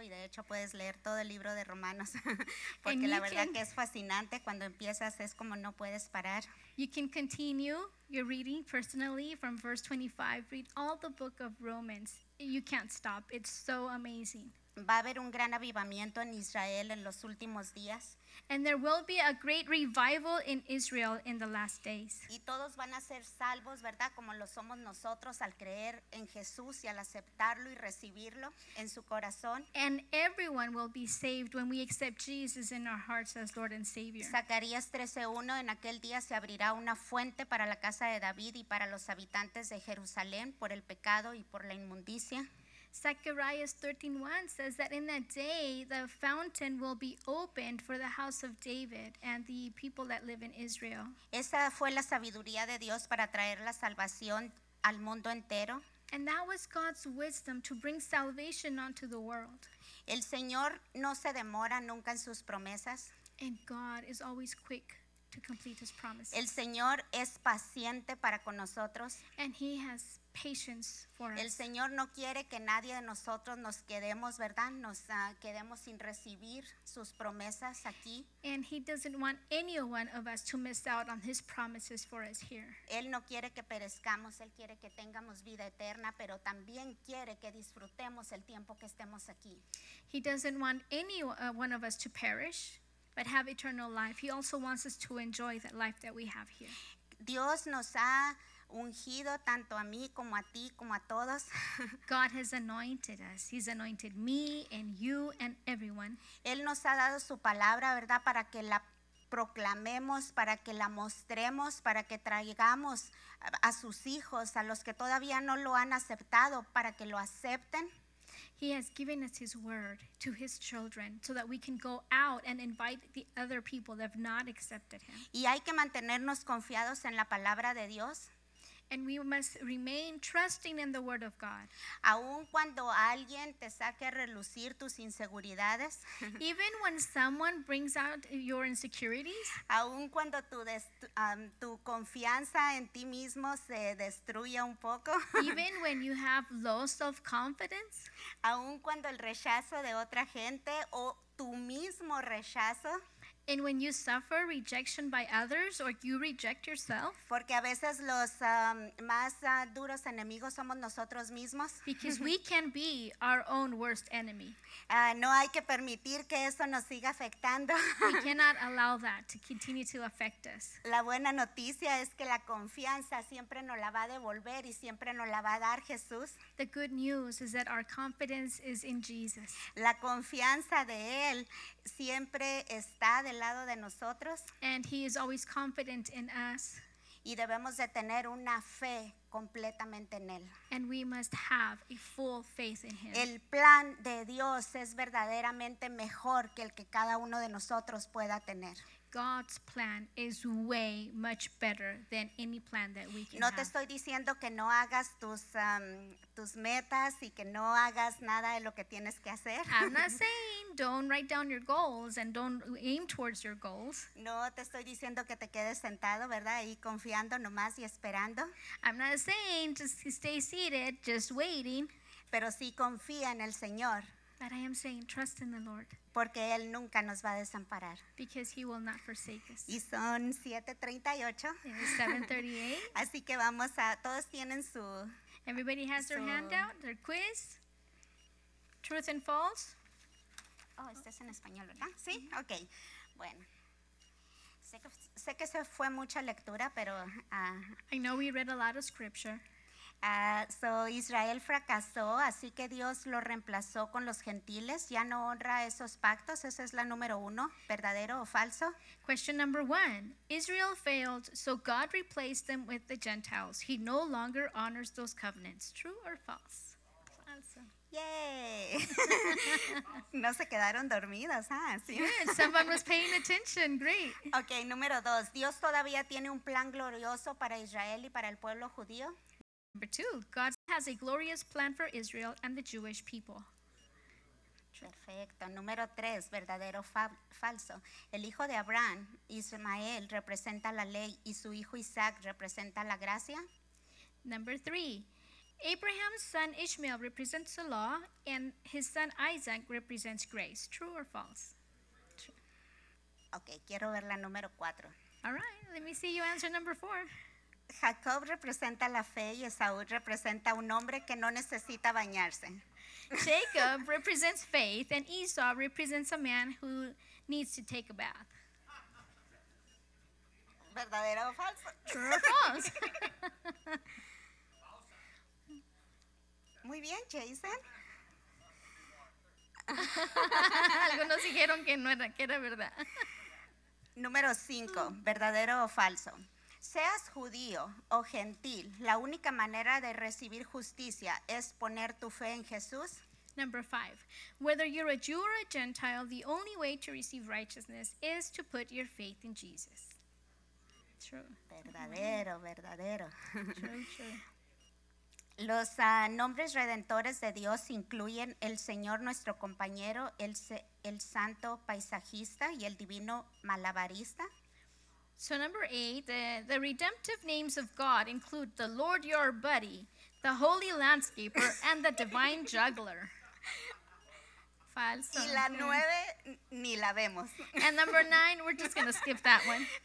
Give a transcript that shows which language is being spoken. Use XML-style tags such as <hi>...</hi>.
<es>Y de hecho puedes leer todo el libro de Romanos. Porque la verdad que es fascinante. Cuando empiezas es como no puedes parar.</es> <en>You can continue your reading personally from verse 25. Read all the book of Romans. You can't stop. It's so amazing.</en> <es>va a haber un gran avivamiento en Israel en los últimos días.</es> <en>And there will be a great revival in Israel in the last days.</en> <es>Y todos van a ser salvos, ¿verdad? Como lo somos nosotros al creer en Jesús y al aceptarlo y recibirlo en su corazón.</es> <en>And everyone will be saved when we accept Jesus in our hearts as Lord and Savior.</en> <es>Zacarías 13:1, en aquel día se abrirá una fuente para la casa de David y para los habitantes de Jerusalén por el pecado y por la inmundicia.</es> <en>Zechariah 13:1 says that in that day the fountain will be opened for the house of David and the people that live in Israel.</en> <es>Esa fue la sabiduría de Dios para traer la salvación al mundo entero.</es> <en>And that was God's wisdom to bring salvation onto the world.</en> <es>El Señor no se demora nunca en sus promesas.</es> <en>And God is always quick to complete his promises.</en> <es>El Señor es paciente para con nosotros.</es> <en>And he has patience for us.</en> <es>El Señor no quiere que nadie de nosotros nos quedemos, ¿verdad? Nos quedemos sin recibir sus promesas aquí.</es> <en>And he doesn't want any one of us to miss out on his promises for us here.</en> <es>Él no quiere que perezcamos, él quiere que tengamos vida eterna, pero también quiere que disfrutemos el tiempo que estemos aquí.</es> <en>He doesn't want any one of us to perish, but have eternal life. He also wants us to enjoy that life that we have here.</en> <es>Dios nos ha ungido tanto a mí como a ti como a todos.</es> <en>God has anointed us. He's anointed me and you and everyone.</en> <es>Él nos ha dado su palabra, ¿verdad? Para que la proclamemos, para que la mostremos, para que traigamos a sus hijos, a los que todavía no lo han aceptado, para que lo acepten.</es> <en>He has given us his word to his children so that we can go out and invite the other people that have not accepted him.</en> <es>Y hay que mantenernos confiados en la palabra de Dios.</es> <en>And we must remain trusting in the word of God.</en> <es>Aun cuando alguien te saque a relucir tus inseguridades.</es> <en>Even when someone brings out your insecurities.</en> <es>Aun cuando tu confianza en ti mismo se destruya un poco.</es> <en>Even when you have low self-confidence.</en> <es>Aun cuando el rechazo de otra gente o tu mismo rechazo.</es> <en>And when you suffer rejection by others or you reject yourself.</en> <es>Porque a veces los más duros enemigos somos nosotros mismos.</es> <en>Because we can be our own worst enemy.</en> <es>No hay que permitir que eso nos siga afectando.</es> <en>We cannot allow that to continue to affect us.</en> <es>La buena noticia es que la confianza siempre nos la va a devolver y siempre nos la va a dar Jesús.</es> <en>The good news is that our confidence is in Jesus.</en> <es>La confianza de Él siempre está del lado de nosotros.</es> <en>And he is always confident in us.</en> <es>Y debemos de tener una fe completamente en él.</es> <en>And we must have a full faith in him.</en> <es>El plan de Dios es verdaderamente mejor que el que cada uno de nosotros pueda tener.</es> <en>God's plan is way much better than any plan that we can have.</en> <es>No te estoy diciendo que no hagas tus metas y que no hagas nada de lo que tienes que hacer.</es> <en>I'm not saying don't write down your goals and don't aim towards your goals.</en> <es>No te estoy diciendo que te quedes sentado, ¿verdad? Y confiando nomás y esperando.</es> <en>I'm not saying just stay seated, just waiting.</en> <es>Pero sí confía en el Señor.</es> <en>But I am saying trust in the Lord.</en> <es>Porque Él nunca nos va a desamparar.</es> <en>Because he will not forsake us.</en> <es>Y son 7:38.</es> <en>It is 7:38.</en> <es>Así que vamos a, todos tienen su...</es> <en>Everybody has their handout, their quiz. Truth and false.</en> <es>Oh, este es en español, ¿verdad? Mm-hmm. Sí, ok. Bueno. Sé que se fue mucha lectura, pero...</es> <en>I know we read a lot of scripture.</en> <es>Israel fracasó, así que Dios lo reemplazó con los gentiles. Ya no honra esos pactos. Esa es la número uno, ¿verdadero o falso?</es> <en>Question number one. Israel failed, so God replaced them with the Gentiles. He no longer honors those covenants. True or false?</en> <es>Falso. Yay! No se quedaron dormidos, ¿ah? ¿Sí?</es> <en>Good, someone was paying attention. Great.</en> <es>Okay, número dos. Dios todavía tiene un plan glorioso para Israel y para el pueblo judío.</es> <en>Number two, God has a glorious plan for Israel and the Jewish people.</en> <es>Perfecto. Número tres, verdadero falso. El hijo de Abraham, Ismael, representa la ley y su hijo Isaac representa la gracia.</es> <en>Number three, Abraham's son Ishmael represents the law and his son Isaac represents grace. True or false?</en> <es>Okay, quiero ver la número cuatro.</es> <en>All right, let me see you answer number four.</en> <es>Jacob representa la fe y Esaú representa un hombre que no necesita bañarse.</es> <en>Jacob represents faith and Esau represents a man who needs to take a bath.</en> <es>¿Verdadero o falso?</es> <en>True or false?</en> <es>Muy bien, Jason. Algunos dijeron que no era, que era verdad. Número 5, ¿verdadero o falso? Seas judío o gentil, la única manera de recibir justicia es poner tu fe en Jesús.</es> <en>Number 5, whether you're a Jew or a Gentile, the only way to receive righteousness is to put your faith in Jesus. True.</en> <es>Verdadero, verdadero.</es> <en>True.</en> <es>Los nombres redentores de Dios incluyen el Señor nuestro compañero, el santo paisajista y el divino malabarista.</es> <en>So number 8, the redemptive names of God include the Lord your buddy, the holy landscaper, and the divine juggler.</en> <es>Falso. Y la 9, ni la vemos.</es> <en>And number 9, we're just going to skip that one.</en>